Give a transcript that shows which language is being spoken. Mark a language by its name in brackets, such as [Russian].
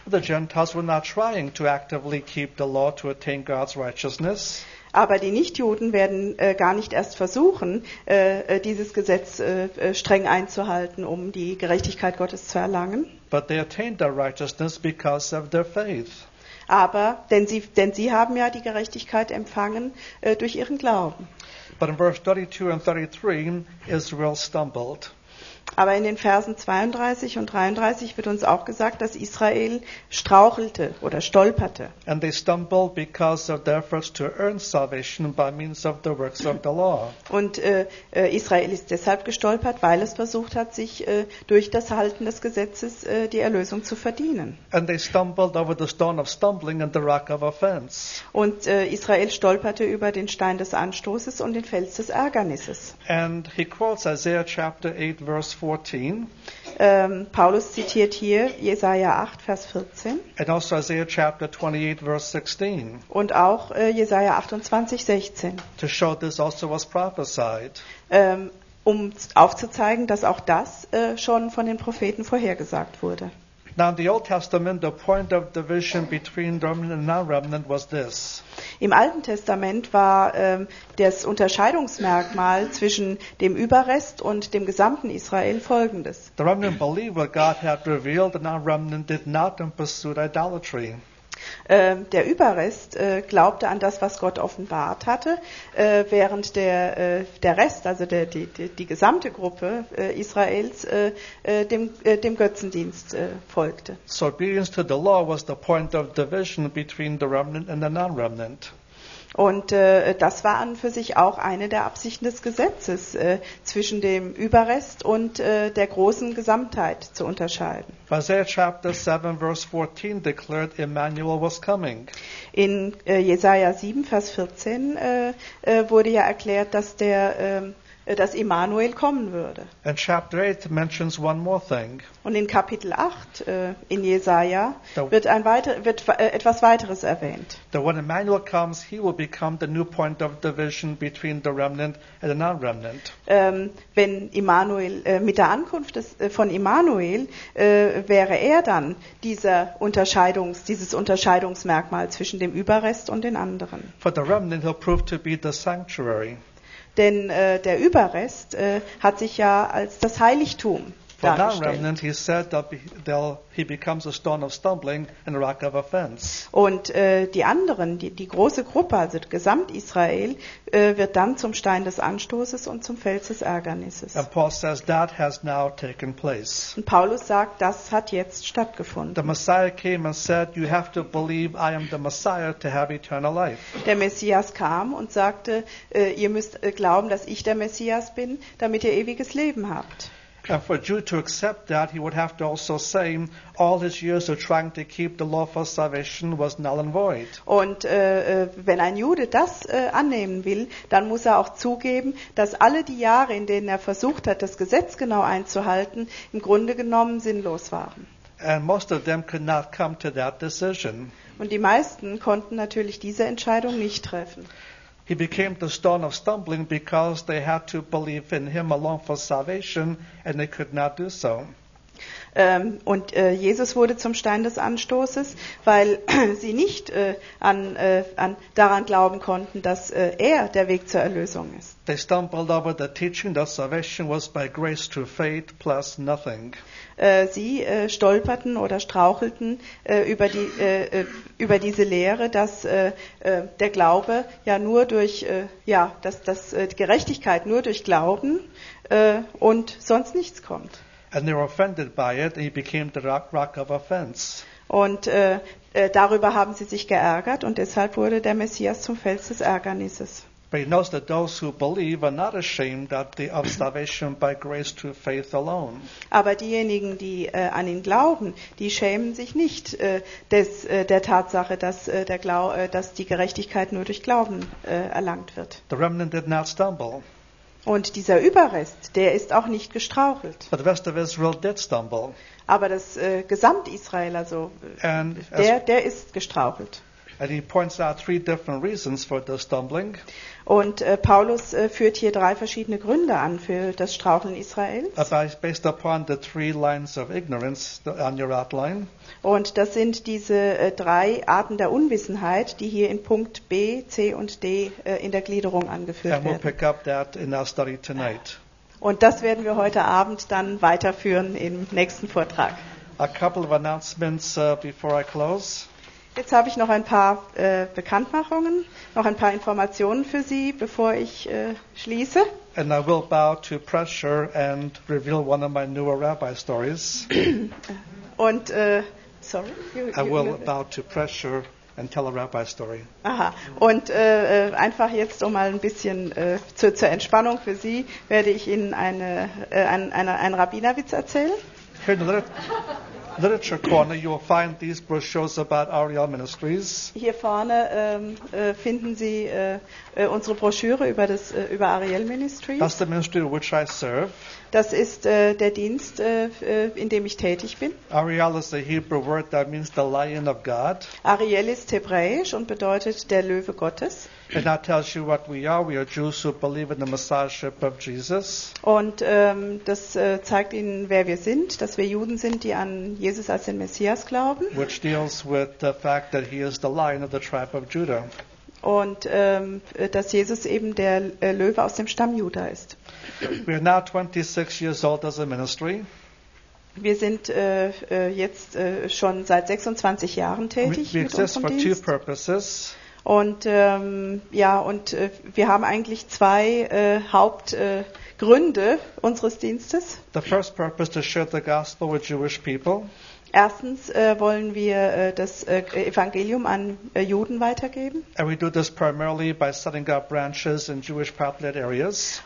[English] The Gentiles were not trying to actively keep the law to attain God's righteousness. [German] Aber die Nichtjuden werden gar nicht erst versuchen, dieses Gesetz streng einzuhalten, um die Gerechtigkeit Gottes zu erlangen. [English] But they attained their righteousness because of their faith. [German] Aber, denn sie haben ja die Gerechtigkeit empfangen durch ihren Glauben. [English] But in verse 32 and 33, Israel stumbled. [German] Aber in den Versen 32 und 33 wird uns auch gesagt, dass Israel strauchelte oder stolperte. [English] And they stumbled because of their efforts to earn salvation by means of the works of the law. [German] Und Israel ist deshalb gestolpert, weil es versucht hat, sich durch das Halten des Gesetzes die Erlösung zu verdienen. [English] And they stumbled over the stone of stumbling and the rock of offense. [German] Und Israel stolperte über den Stein des Anstoßes und den Fels des Ärgernisses. [English] And he quotes Isaiah chapter 8 verse 14. [German] Paulus zitiert hier Jesaja 8, Vers 14. [English] And also Isaiah chapter 28, verse 16. [German] Und auch Jesaja 28, 16. [English] To show this also was prophesied. [German] Um aufzuzeigen, dass auch das schon von den Propheten vorhergesagt wurde. [English] Now in the Old Testament, the point of division between remnant and non-remnant was this. [German] Im Alten Testament war das Unterscheidungsmerkmal zwischen dem Überrest und dem gesamten Israel folgendes. [English] The remnant believed what God had revealed, the non-remnant did not and pursued idolatry. [German] Der Überrest glaubte an das, was Gott offenbart hatte, während der Rest, also die gesamte Gruppe Israels, dem Götzendienst folgte. [English] So obedience to the law was the point of division between the remnant and the non-remnant. [German] Und das war an für sich auch eine der Absichten des Gesetzes, zwischen dem Überrest und der großen Gesamtheit zu unterscheiden. [English] Isaiah chapter 7, verse 14 declared Emmanuel was coming. [German] In Jesaja 7, Vers 14 wurde ja erklärt, dass Emmanuel kommen würde. [English] And chapter 8 mentions one more thing. [German] Und in Kapitel 8 in Jesaja wird etwas weiteres erwähnt. [English] That when Emmanuel comes, he will become the new point of division between the remnant and the non-remnant. [German] Wenn Emmanuel mit der Ankunft von Emmanuel wäre er dann dieses Unterscheidungsmerkmal zwischen dem Überrest und den anderen. [English] For the remnant, he'll prove to be the sanctuary. [German] Denn der Überrest hat sich ja als das Heiligtum dargestellt. Und die anderen, die große Gruppe, also Gesamt Israel, wird dann zum Stein des Anstoßes und zum Fels des Ärgernisses. [English] And Paul says, that has now taken place. [German] Und Paulus sagt, das hat jetzt stattgefunden. [English] The Messiah came and said, you have to believe I am the Messiah to have eternal life. [German] Der Messias kam und sagte, ihr müsst glauben, dass ich der Messias bin, damit ihr ewiges Leben habt. [English] And for a Jew to accept that, he would have to also say, all his years of trying to keep the law for salvation was null and void. [German] Und wenn ein Jude das annehmen will, dann muss er auch zugeben, dass alle die Jahre, in denen er versucht hat, das Gesetz genau einzuhalten, im Grunde genommen sinnlos waren. [English] And most of them could not come to that decision. [German] Und die meisten konnten natürlich diese Entscheidung nicht treffen. [English] He became the stone of stumbling because they had to believe in him alone for salvation and they could not do so. [German] Und Jesus wurde zum Stein des Anstoßes, weil sie nicht daran glauben konnten, dass er der Weg zur Erlösung ist. [English] They stumbled over the teaching that salvation was by grace through faith plus nothing. [German] Sie stolperten oder strauchelten über diese Lehre, dass der Glaube ja nur durch dass Gerechtigkeit nur durch Glauben und sonst nichts kommt. [English] And they were offended by it, and he became the rock of offense. [German] Und darüber haben sie sich geärgert, und deshalb wurde der Messias zum Fels des Ärgernisses. [English] But he knows that those who believe are not ashamed that they have salvation by grace through faith alone. [German] Aber diejenigen, die an ihn glauben, die schämen sich nicht der Tatsache, dass dass die Gerechtigkeit nur durch Glauben erlangt wird. [English] The remnant did not stumble. [German] Und dieser Überrest, der ist auch nicht gestrauchelt. [English] But the rest of Israel did stumble. [German] Aber das Gesamt-Israel, also der ist gestrauchelt. [English] And he points out three different reasons for the stumbling. [German] Und Paulus führt hier drei verschiedene Gründe an für das Straucheln Israels. [English] Based upon the three lines of ignorance on your outline. [German] Und das sind diese drei Arten der Unwissenheit, die hier in Punkt B, C und D in der Gliederung angeführt werden. [English] And we'll pick up that in our study tonight. [German] Und das werden wir heute Abend dann weiterführen im nächsten Vortrag. [English] A couple of announcements before I close. [German] Jetzt habe ich noch ein paar Bekanntmachungen, noch ein paar Informationen für Sie, bevor ich schließe. [English] And I will bow to pressure and reveal one of my newer rabbi stories. [German] Und, sorry? [English] Bow to pressure and tell a rabbi story. Aha. [German] Und einfach jetzt, um mal ein bisschen zur Entspannung für Sie, werde ich Ihnen einen Rabbinerwitz erzählen. [English] Literature corner, you will find these brochures about Ariel Ministries. [German] Hier vorne finden Sie unsere Broschüre über Ariel Ministries. [English] That's the ministry which I serve. [German] Das ist der Dienst, in dem ich tätig bin. [English] Ariel is a Hebrew word that means the lion of God. [German] Ariel ist Hebräisch und bedeutet der Löwe Gottes. [English] And that tells you what we are. We are Jews who believe in the Messiahship of Jesus. [German] Und das zeigt Ihnen, wer wir sind, dass wir Juden sind, die an Jesus als den Messias glauben. [English] Which deals with the fact that he is the lion of the tribe of Judah. [German] Und dass Jesus eben der Löwe aus dem Stamm Juda ist. [English] We are now 26 years old as a ministry. [German] Wir sind jetzt schon seit 26 Jahren tätig mit unserem Dienst. [English] We exist for two purposes. [German] Und wir haben eigentlich zwei Hauptgründe unseres Dienstes. [English] The first purpose to share the gospel with Jewish people. [German] Erstens wollen wir das Evangelium an Juden weitergeben. [English] And we do this primarily by setting up branches in Jewish populated areas.